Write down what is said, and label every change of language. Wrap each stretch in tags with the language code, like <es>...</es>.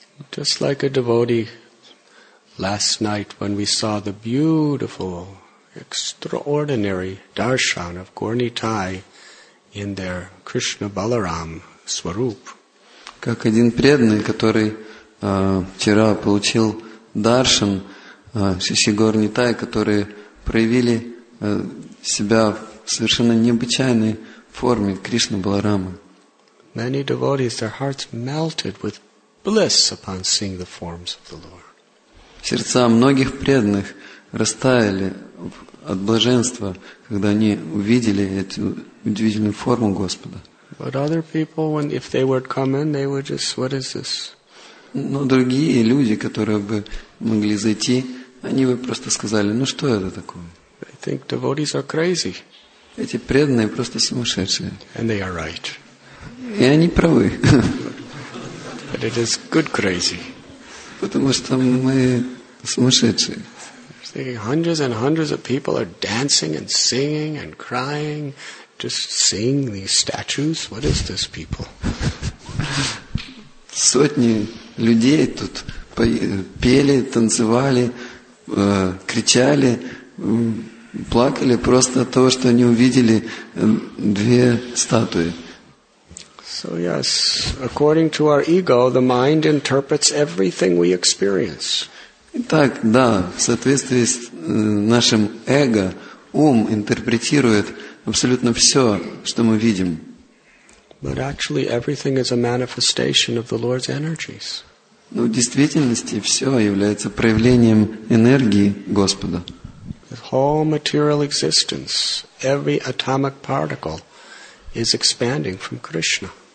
<en>Just like a devotee last night when we saw the beautiful, extraordinary darshan of Gornitai in their Krishna Balaram Swarup.</en> <ru>Как один преданный, который вчера получил даршан Шиши Горнитай, которые проявили себя в совершенно необычайной форме Кришна Баларамы.</ru> <en>Many devotees, their hearts melted with bliss upon seeing the forms of the Lord.</en> <ru>Сердца многих преданных растаяли от блаженства, когда они увидели эту удивительную форму Господа.</ru> <en>But other people, when if they were coming, they would just, what is this?</en> <ru>Но другие люди, которые бы могли зайти, они бы просто сказали, ну что это такое?</ru> <en>They think devotees are crazy.</en> <ru>Эти преданные просто сумасшедшие.</ru> <en>And they are right.</en> <ru>И они правы.</ru> <en>But it is good crazy.</en> <ru>Потому что мы сумасшедшие.</ru> <en>Thinking hundreds and hundreds of people are dancing and singing and crying, just seeing these statues. What is this, people?</en> <ru>Сотни людей тут пели, танцевали, кричали, плакали просто от того, что они увидели две статуи.</ru> <en>So yes, according to our ego, the mind interprets everything we experience.</en> <ru>Итак, да, в соответствии с нашим эго, ум интерпретирует абсолютно все, что мы видим.</ru> <en>But actually everything is a manifestation of the Lord's energies.</en> <ru>Но в действительности все является проявлением энергии Господа.</ru> <en>The whole material existence, every atomic particle is expanding from Krishna.</en>